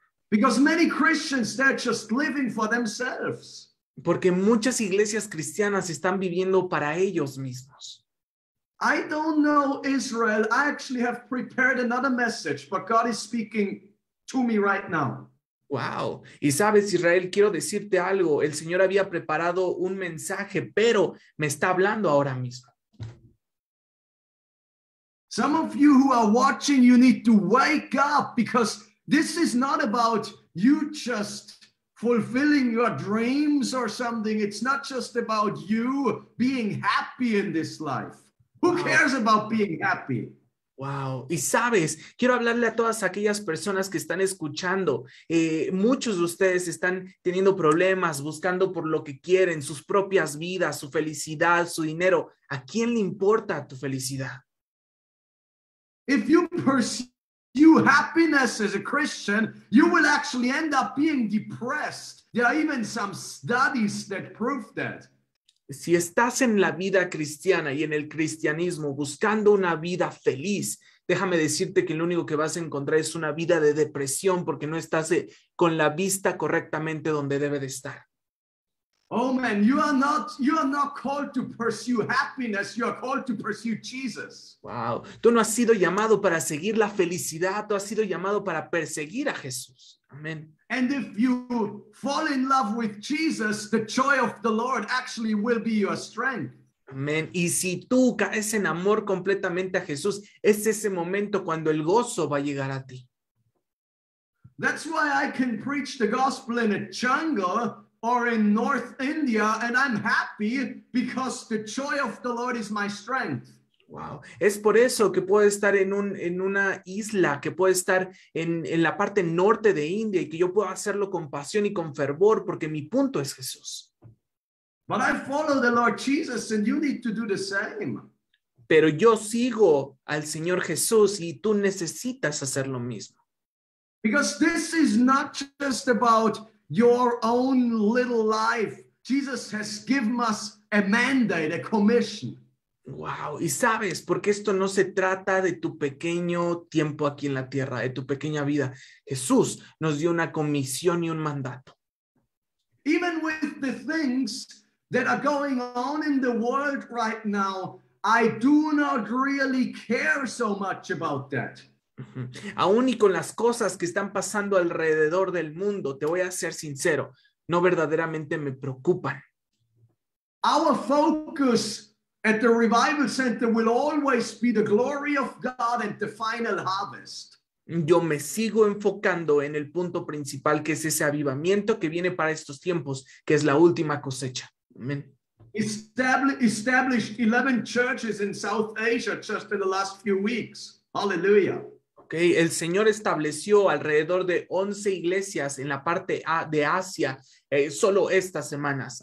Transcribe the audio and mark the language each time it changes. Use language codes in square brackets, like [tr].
[en] Because many Christians, they're just living for themselves. [es] Porque muchas iglesias cristianas están viviendo para ellos mismos. [en] I don't know Israel. I actually have prepared another message, but God is speaking to me right now. [es] Wow. Y sabes, Israel, quiero decirte algo. El Señor había preparado un mensaje, pero me está hablando ahora mismo. [en] Some of you who are watching, you need to wake up, because this is not about you just fulfilling your dreams or something. It's not just about you being happy in this life. Who cares about being happy? Wow. [es] Y sabes, quiero hablarle a todas aquellas personas que están escuchando. Muchos de ustedes están teniendo problemas, buscando por lo que quieren, sus propias vidas, su felicidad, su dinero. ¿A quién le importa tu felicidad? [en] If you pursue happiness as a Christian, you will actually end up being depressed. There are even some studies that prove that. [es] Si estás en la vida cristiana y en el cristianismo buscando una vida feliz, déjame decirte que lo único que vas a encontrar es una vida de depresión, porque no estás con la vista correctamente donde debe de estar. [en] Oh man, you are not called to pursue happiness, you are called to pursue Jesus. [es] Wow, tú no has sido llamado para seguir la felicidad, tú has sido llamado para perseguir a Jesús. [en] Amen. And if you fall in love with Jesus, the joy of the Lord actually will be your strength. Amen. [es] Y si tú caes en amor completamente a Jesús, es ese momento cuando el gozo va a llegar a ti. [en] That's why I can preach the gospel in a jungle or in North India, and I'm happy, because the joy of the Lord is my strength. [es] Wow, es por eso que puedo estar en una isla, que puedo estar en la parte norte de India, y que yo puedo hacerlo con pasión y con fervor, porque mi punto es Jesús. [en] But I follow the Lord Jesus, and you need to do the same. [es] Pero yo sigo al Señor Jesús, y tú necesitas hacer lo mismo. [en] Because this is not just about your own little life. Jesus has given us a mandate, a commission. [es] Wow, y sabes, porque esto no se trata de tu pequeño tiempo aquí en la tierra, de tu pequeña vida. Jesús nos dio una comisión y un mandato. [en] Even with the things that are going on in the world right now, I do not really care so much about that. [es] Aún y con las cosas que están pasando alrededor del mundo, te voy a ser sincero, no verdaderamente me preocupan. [en] Our focus at the Revival Center will always be the glory of God and the final harvest. [es] Yo me sigo enfocando en el punto principal, que es ese avivamiento que viene para estos tiempos, que es la última cosecha. [en] Amen. Established 11 churches in South Asia just in the last few weeks. Hallelujah. [es] Okay, el Señor estableció alrededor de 11 iglesias en la parte de Asia solo estas semanas.